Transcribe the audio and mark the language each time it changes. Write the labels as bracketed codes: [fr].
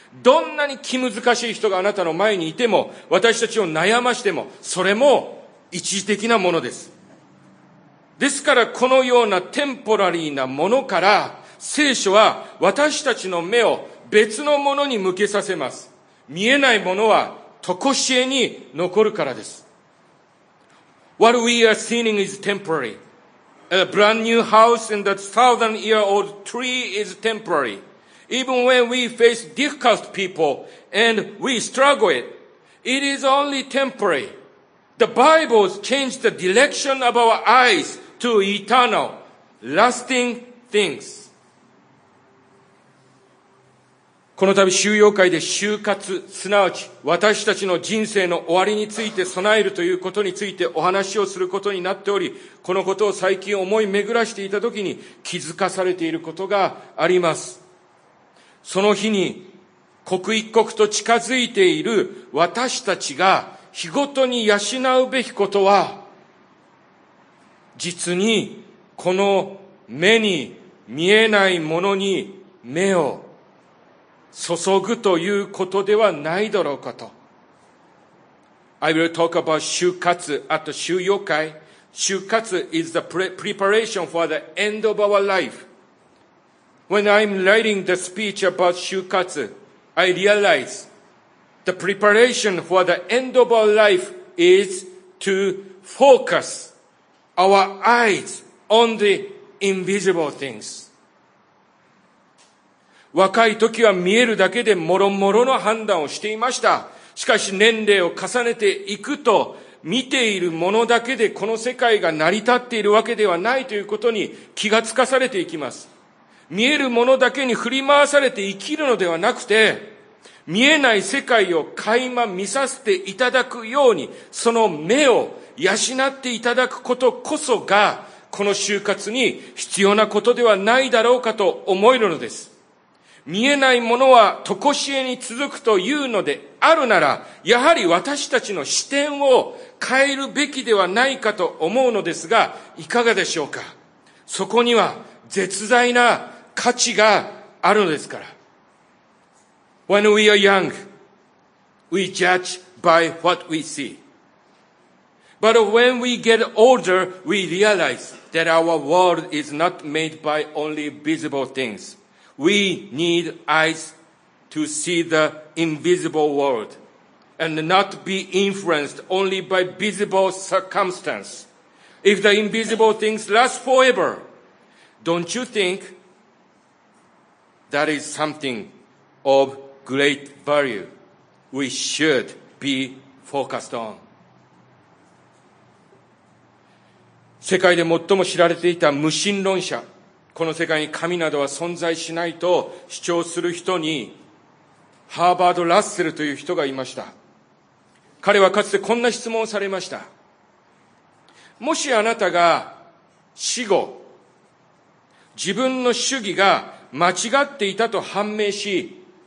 [ja] どんなに気難しい人があなたの前にいても、私たちを悩ましても、それも一時的なものです。ですからこのようなテンポラリーなものから聖書は私たちの目を別のものに向けさせます。見えないものは常しえに残るからです。 [en] What we are seeing is temporary. A brand new house and that 1,000-year-old tree is temporary. Even when we face difficult people and we struggle it, it is only temporary. The Bible changed the direction of our eyes to eternal, lasting things. [ja] この度収容会で終活、すなわち私たちの人生の終わりについて備えるということについてお話をすることになっており、このことを最近思い巡らしていたときに気づかされていることがあります。その日に刻一刻と近づいている私たちが日ごとに養うべきことは、実にこの目に見えないものに目を注ぐということではないだろうかと。 [en] I will talk about 終活 at 終了会。終活 is the preparation for the end of our life. When I'm writing the speech about 終活, I realize,The preparation for the end of our life is to focus our eyes on the invisible things. [ja] 若い時は見えるだけでもろもろの判断をしていました。しかし年齢を重ねていくと、見ているものだけでこの世界が成り立っているわけではないということに気がつかされていきます。見えるものだけに振り回されて生きるのではなくて、見えない世界を垣間見させていただくように、その目を養っていただくことこそが、この就活に必要なことではないだろうかと思えるのです。見えないものは常しえに続くというのであるなら、やはり私たちの視点を変えるべきではないかと思うのですが、いかがでしょうか。そこには絶大な価値があるのですから。 [en] When we are young, we judge by what we see. But when we get older, we realize that our world is not made by only visible things. We need eyes to see the invisible world and not be influenced only by visible circumstance. If the invisible things last forever, don't you think that is something ofGreat value we should be focused on. [ja] 世界で最も知られていた無神論者、この世界に神などは存在しないと主張する人に、ハーバード・ラッセルという人がいました。彼はかつてこんな質問をされました。もしあなたが死後、自分の主義が間違っていたと判明し、